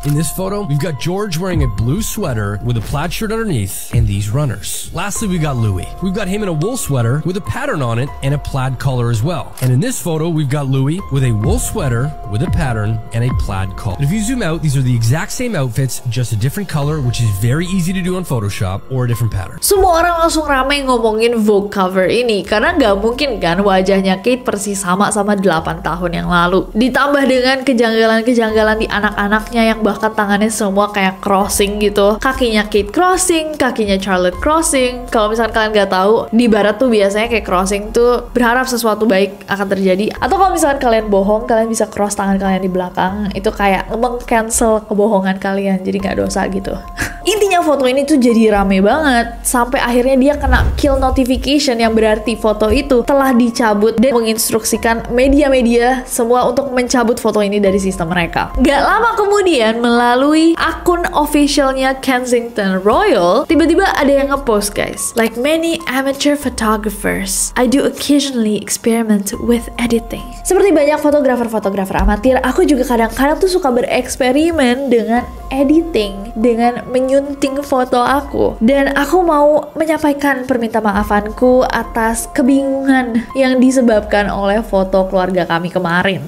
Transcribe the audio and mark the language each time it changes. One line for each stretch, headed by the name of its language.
English: In this photo, we've got George wearing a blue sweater with a plaid shirt underneath, and these runners. Lastly, we've got Louis. We've got him in a wool sweater with a pattern on it and a plaid collar as well. And in this photo, we've got Louis with a wool sweater with a pattern and a plaid collar. And if you zoom out, these are the exact same outfits, just a different color, which is very easy to do on Photoshop, or a different pattern.
Indonesian: Semua orang langsung ramai ngomongin Vogue cover ini, karena nggak mungkin kan wajahnya Kate persis sama 8 tahun yang lalu. Ditambah dengan kejanggalan-kejanggalan di anak-anaknya yang bahkan tangannya semua kayak crossing gitu. Kakinya Kate crossing, kakinya Charlotte crossing. Kalau misalkan kalian nggak tahu, di barat tuh biasanya kayak crossing tuh berharap sesuatu baik akan terjadi. Atau kalau misalkan kalian bohong, kalian bisa cross tangan kalian di belakang. Itu kayak meng-cancel kebohongan kalian, jadi nggak dosa gitu. Intinya foto ini tuh jadi rame banget sampai akhirnya dia kena kill notification yang berarti foto itu telah dicabut dan menginstruksikan media-media semua untuk mencabut foto ini dari sistem mereka. Gak lama kemudian melalui akun officialnya Kensington Royal, tiba-tiba ada yang ngepost guys.
English: "Like many amateur photographers, I do occasionally experiment with editing."
Indonesian: Seperti banyak fotografer-fotografer amatir, aku juga kadang-kadang tuh suka bereksperimen dengan editing, dengan menyunting foto aku. Dan aku mau menyampaikan perminta maafanku atas kebingungan yang disebabkan oleh foto keluarga kami kemarin.